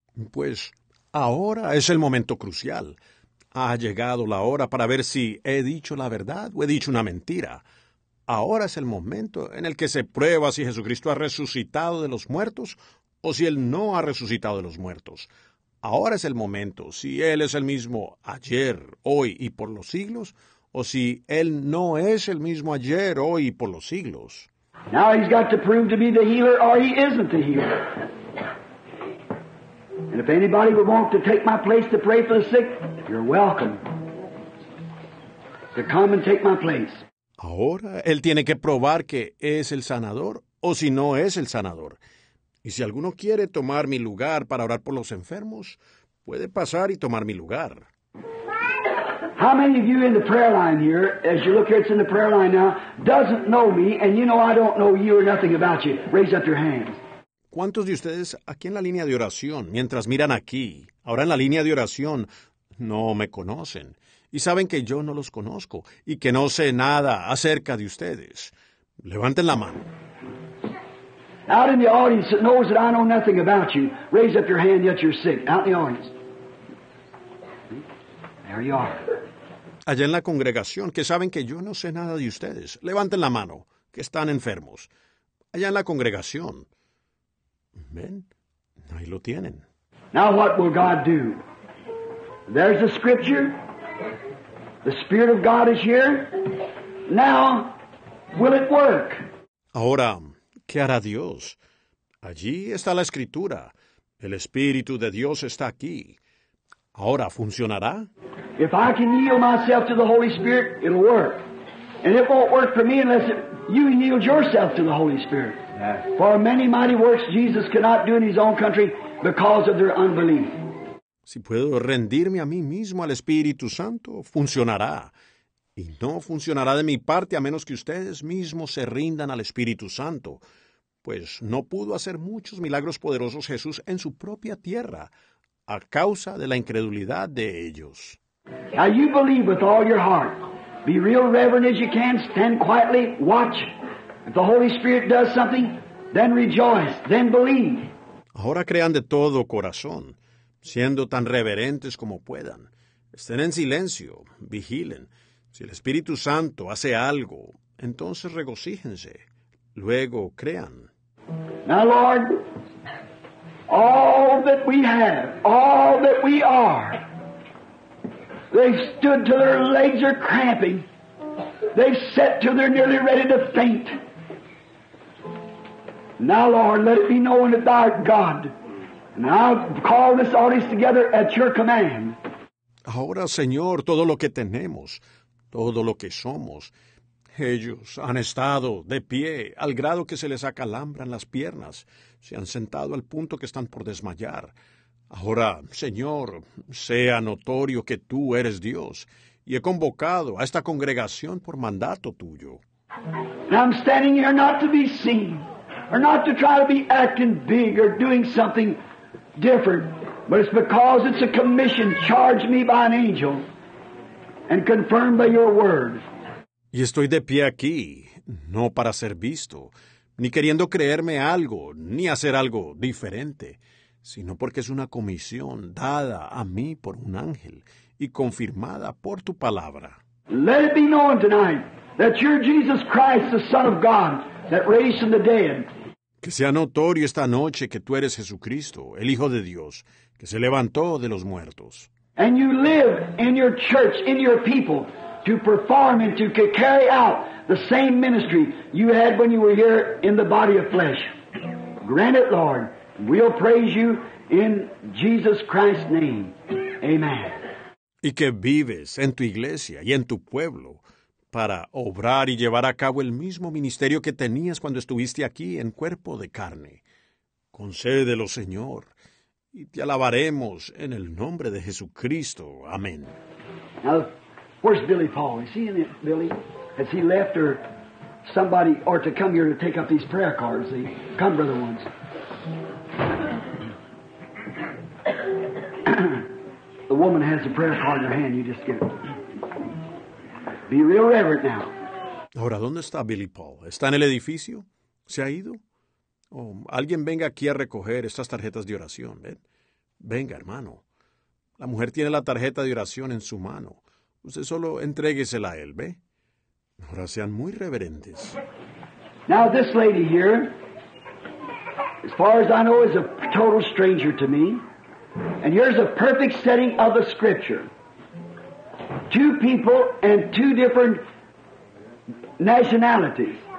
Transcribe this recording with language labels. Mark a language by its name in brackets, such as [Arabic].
[Spanish] Pues ahora es el momento crucial. Ha llegado la hora para ver si he dicho la verdad o he dicho una mentira. Ahora es el momento en el que se prueba si Jesucristo ha resucitado de los muertos o si Él no ha resucitado de los muertos. Ahora es el momento si Él es el mismo ayer, hoy y por los siglos o si Él no es el mismo ayer, hoy y por los siglos. [English] Now he's got to prove to be the healer or he isn't the healer. And if anybody would want to take my place to pray for the sick, you're welcome to come and take my place. [Spanish] Ahora, él tiene que probar que es el sanador o si no es el sanador. Y si alguno quiere tomar mi lugar para orar por los enfermos, puede pasar y tomar mi lugar. [English] How many of you in the prayer line here, as you look here, it's in the prayer line now, doesn't know me and you know I don't know you or nothing about you? Raise up your hand. [Spanish] ¿Cuántos de ustedes aquí en la línea de oración, mientras miran aquí, ahora en la línea de oración, no me conocen? Y saben que yo no los conozco y que no sé nada acerca de ustedes. Levanten la mano. [English] Out in the audience that knows that I know nothing about you, raise up your hand yet you're sick. Out in the audience. There you are. [Spanish] Allá en la congregación que saben que yo no sé nada de ustedes, levanten la mano, que están enfermos. Allá en la congregación. Ven, ahí lo tienen. [English] Now what will God do? There's the scripture. The Spirit of God is here. Now, will it work? [Spanish] Ahora, ¿qué hará Dios? Allí está la Escritura. El Espíritu de Dios está aquí. Ahora, ¿funcionará? [English] If I can yield myself to the Holy Spirit, it'll work. And it won't work for me unless you yield yourself to the Holy Spirit. For many mighty works Jesus cannot do in his own country because of their unbelief. [Spanish] Si puedo rendirme a mí mismo al Espíritu Santo, funcionará. Y no funcionará de mi parte a menos que ustedes mismos se rindan al Espíritu Santo. Pues no pudo hacer muchos milagros poderosos Jesús en su propia tierra a causa de la incredulidad de ellos. [English] Now you believe with all your heart. Be real reverent as you can. Stand quietly. Watch. If the Holy Spirit does something, then rejoice. Then believe. [Spanish] Ahora crean de todo corazón. Siendo tan reverentes como puedan. Estén en silencio, vigilen. Si el Espíritu Santo hace algo, entonces regocíjense. Luego crean. [English] Now, Lord, all that we have, all that we are, they've stood till their legs are cramping. They've sat till they're nearly ready to faint. Now, Lord, let it be known that thou art God. Now call this audience together at your command. [Spanish] Ahora, Señor, todo lo que tenemos, todo lo que somos, ellos han estado de pie al grado que se les acalambran las piernas, se han sentado al punto que están por desmayar. Ahora, Señor, sea notorio que tú eres Dios y he convocado a esta congregación por mandato tuyo. [English] Now I'm standing here not to be seen, or not to try to be acting big or doing something different, but it's because it's a commission charged me by an angel and confirmed by your word. [Spanish] Y estoy de pie aquí, no para ser visto, ni queriendo creerme algo, ni hacer algo diferente, sino porque es una comisión dada a mí por un ángel y confirmada por tu palabra. [English] Let it be known tonight that you're Jesus Christ, the Son of God, that raised from the dead. [Spanish] Que sea notorio esta noche que tú eres Jesucristo, el Hijo de Dios, que se levantó de los muertos. [English] And you live in your church, in your people, to perform and to carry out the same ministry you had when you were here in the body of flesh. Grant it, Lord. We'll praise you in Jesus Christ's name. Amen. [Spanish] Y que vives en tu iglesia y en tu pueblo para obrar y llevar a cabo el mismo ministerio que tenías cuando estuviste aquí en cuerpo de carne. Concédelo, Señor, y te alabaremos en el nombre de Jesucristo. Amén. [English] Now, where's Billy Paul? Is he in it, Billy? Has he left or somebody or to come here to take up these prayer cards? See? Come, brother ones. The woman has a prayer card in her hand. You just get it. Be real reverent now. [Spanish] Ahora, ¿dónde está Billy Paul? ¿Está en el edificio? ¿Se ha ido? Oh, alguien venga aquí a recoger estas tarjetas de oración. Ven, venga, hermano. La mujer tiene la tarjeta de oración en su mano. Usted solo entréguesela a él, ¿ve? Ahora sean muy reverentes. [English] Now this lady here, as far as I know, is a total stranger to me. And here's a perfect setting of the scripture. Two people and two different nationalities.